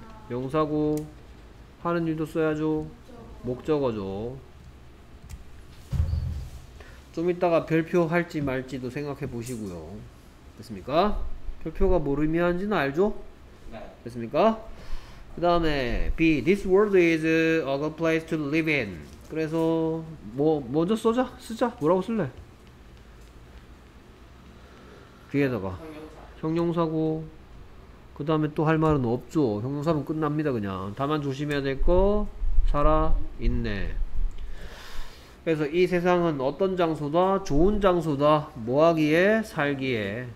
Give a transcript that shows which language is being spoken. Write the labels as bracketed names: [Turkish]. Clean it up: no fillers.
[Korean] 명사고 하는 일도 써야죠. 목적어죠. 좀 이따가 별표 할지 말지도 생각해 보시고요. 됐습니까? 별표가 뭘 의미하는지는 알죠? 네. 됐습니까? 그 다음에 B. [English] This world is a good place to live in. [Korean] 그래서 뭐 먼저 써자. 쓰자. 뭐라고 쓸래? 뒤에다가 형용사고 그 다음에 또 할 말은 없죠. 형용사면 끝납니다. 그냥 다만 조심해야 될 거 살아있네. 그래서 이 세상은 어떤 장소다? 좋은 장소다. 뭐하기에? 살기에.